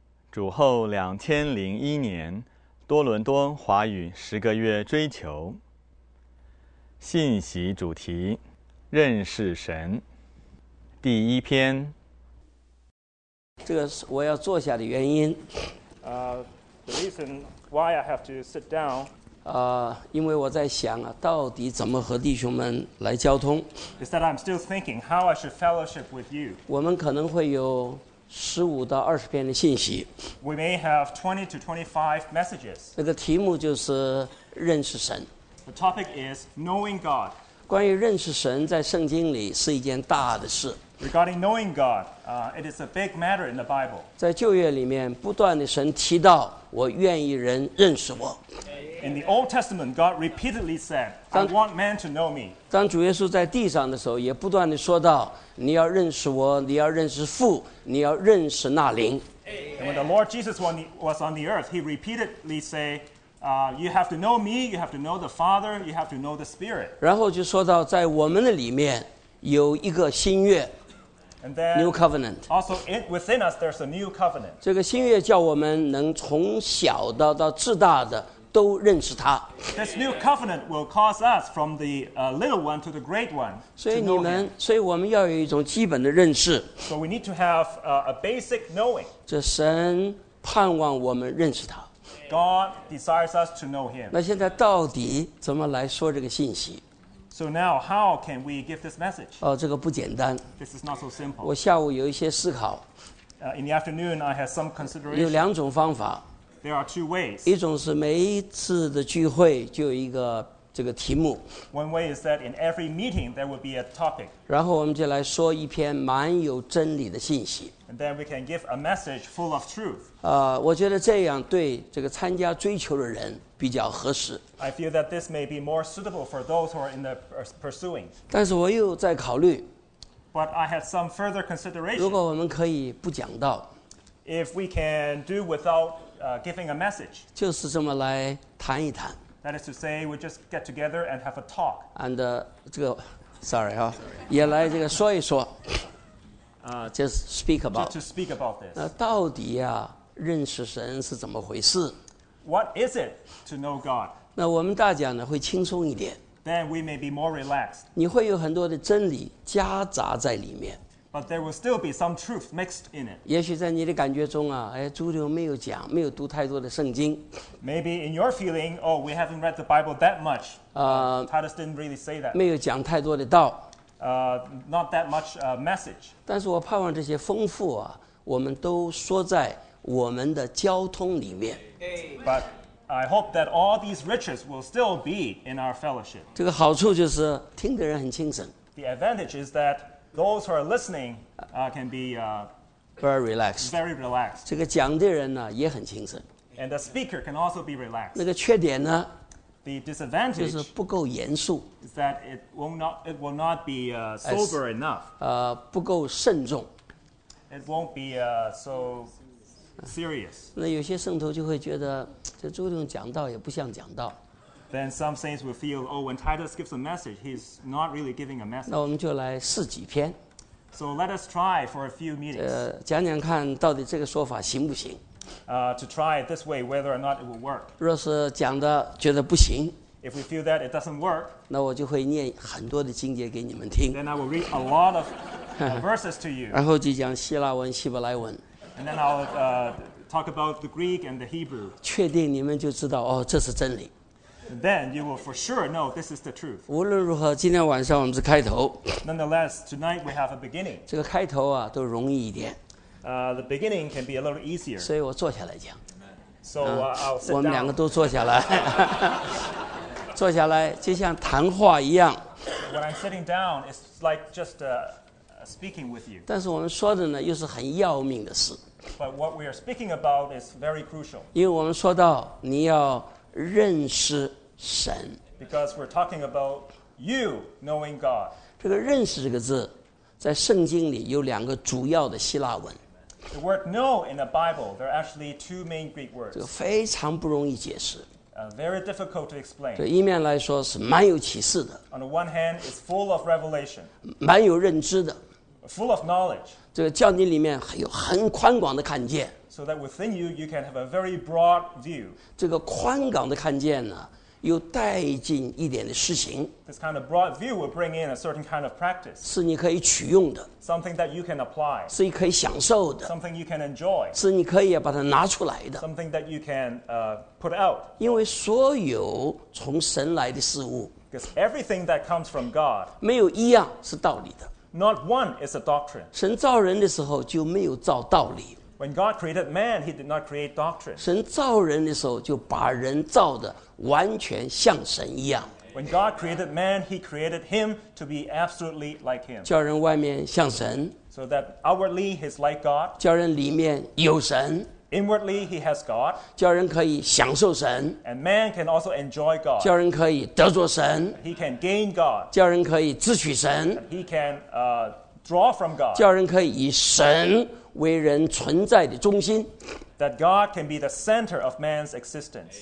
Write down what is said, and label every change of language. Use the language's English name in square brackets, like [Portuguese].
[Chinese] 主后2001年，多伦多华语10个月追求。信息主题：认识神。第一篇。这个是我要坐下的原因。 [English] The reason why I have to sit down. [Chinese] 因为我在想啊，到底怎么和弟兄们来交通 [English] ？Is that I'm still thinking how I should fellowship with you? [Chinese] 我们可能会有15到20篇的信息。 [English] We may have 20 to 25 messages. [Chinese] 那个题目就是认识神。 [English] The topic is knowing God. [Chinese] 关于认识神，在圣经里是一件大的事。 [English] Regarding knowing God, it is a big matter in the Bible. [Chinese] 在旧约里面，不断的神提到我愿意人认识我。 [English] In the Old Testament, God repeatedly said, "I want man to know me." [Chinese] 当主耶稣在地上的时候，也不断的说到，你要认识我，你要认识父，你要认识那灵。 [English] And when the Lord Jesus was on the earth, He repeatedly said, "You have to know me. You have to know the Father. You have to know the Spirit." [Chinese] 然后就说到，在我们的里面有一个新约。 [English] And then, new covenant. Also, within us, there's a new covenant. [Chinese] 这个新约叫我们能从小到至大的都认识他。 [English] This new covenant will cause us from the little one to the great one. [Chinese] 所以我们要有一种基本的认识。 [English] So we need to have a basic knowing. [Chinese] 这神盼望我们认识他。 [English] God desires us to know him. [Chinese] 那现在到底怎么来说这个信息？ [English] So now, how can we give this message? [Chinese] 这个不简单。 [English] This is not so simple. [Chinese] 我下午有一些思考。 [English] In the afternoon, I had some consideration. [Chinese] 有两种方法。 [English] There are two ways. [Chinese] 一种是每一次的聚会就有一个这个题目。 [English] One way is that in every meeting there will be a topic. [Chinese] 然后我们就来说一篇蛮有真理的信息。 [English] And then we can give a message full of truth. [Chinese] 我觉得这样对这个参加追求的人比较合适。 [English] I feel that this may be more suitable for those who are in the pursuing. [Chinese] 但是我又在考虑。 [English] But I had some further consideration. [Chinese] 如果我们可以不讲道。 [English] If we can do without giving a message. [Chinese] 就是这么来谈一谈。 [English] That is to say, we just get together and have a talk. [Chinese] And 这个 ，sorry 哈，也来这个说一说。 [English] Just speak about. Just to speak about this. [Chinese] 那到底呀，认识神是怎么回事 [English] ？What is it to know God? [Chinese] 那我们大家呢会轻松一点。 [English] Then we may be more relaxed. [Chinese] 你会有很多的真理夹杂在里面。 [English] But there will still be some truth mixed in it. [Chinese] 也许在你的感觉中啊，主流没有讲，没有读太多的圣经。 [English] Maybe in your feeling, oh, we haven't read the Bible that much. Titus didn't really say that. [Chinese] 没有讲太多的道。 [English] Not that much message. [Chinese] 但是我盼望这些丰富啊，我们都说在我们的交通里面。 [English] But I hope that all these riches will still be in our fellowship. [Chinese] 这个好处就是听的人很精神。 [English] The advantage is that those who are listening can be very relaxed. [Chinese] 这个讲的人呢也很精神。 [English] And the speaker can also be relaxed. [Chinese] 那个缺点呢 [English] ？The disadvantage [Chinese] 就是不够严肃。 [English] Is that it will not be sober enough. [Chinese] 不够慎重。 [English] It won't be so serious. [Chinese] 那有些圣徒就会觉得这朱弟兄讲道也不像讲道。 [English] Then some saints will feel, oh, when Titus gives a message, he's not really giving a message. [Chinese] 那我们就来试几篇。 [English] So let us try for a few meetings. [Chinese] 讲讲看到底这个说法行不行。 [English] To try it this way, whether or not it will work. [Chinese] 若是讲的觉得不行。 [English] If we feel that it doesn't work. [Chinese] 那我就会念很多的经节给你们听。 [English] Then I will read a lot of verses to you. [Chinese] 然后就讲希腊文、希伯来文。 [English] And then I'll talk about the Greek and the Hebrew. [Chinese] 确定你们就知道，哦，这是真理。 [English] Then you will for sure know this is the truth. [Chinese] 无论如何，今天晚上我们是开头。 [English] Nonetheless, tonight we have a beginning. [Chinese] 这个开头啊，都容易一点。 [English] The beginning can be a little easier. [Chinese] 所以我坐下来讲。 [English] So I'll sit down. [Chinese] 我们两个都坐下来。坐下来就像谈话一样。 [English] When I'm sitting down, it's like just speaking with you. [Chinese] 但是我们说的呢，又是很要命的事。 [English] But what we are speaking about is very crucial. [Chinese] 因为我们说到你要认识神 [English] ，because we're talking about you knowing God。 [Chinese] 这个认识这个字，在圣经里有两个主要的希腊文。 [English] The word know in the Bible, there are actually two main Greek words。 [Chinese] 这个非常不容易解释。 [English] Very difficult to explain。 [Chinese] 这一面来说是蛮有启示的。 [English] On the one hand, it's full of revelation。 [Chinese] 蛮有认知的。 [English] Full of knowledge。 [Chinese] 这个叫你里面有很宽广的看见。 [English] so that within you, you can have a very broad view. [Chinese] 这个宽广的看见呢，又带进一点的实行。 [English] This kind of broad view will bring in a certain kind of practice. [Chinese] 是你可以取用的。 [English] Something that you can apply. [Chinese] 是你可以享受的。 [English] Something you can enjoy. [Chinese] 是你可以把它拿出来的。 [English] Something that you can put out. [Chinese] 因为所有从神来的事物。 [English] Because everything that comes from God. [Chinese] 没有一样是道理的。 [English] Not one is a doctrine. [Chinese] 神造人的时候就没有造道理。 [English] When God created man, he did not create doctrine. [Chinese] 神造人的时候就把人造的完全像神一样。 [English] When God created man, he created him to be absolutely like him. [Chinese] 叫人外面像神。 [English] So that outwardly he's like God. [Chinese] 叫人里面有神。 [English] Inwardly he has God. [Chinese] 叫人可以享受神。 [English] And man can also enjoy God. [Chinese] 叫人可以得着神。 [English] He can gain God. [Chinese] 叫人可以支取神。 [English] He can draw from God. [Chinese] 叫人可以以神为人存在的中心。 [English] That God can be the center of man's existence.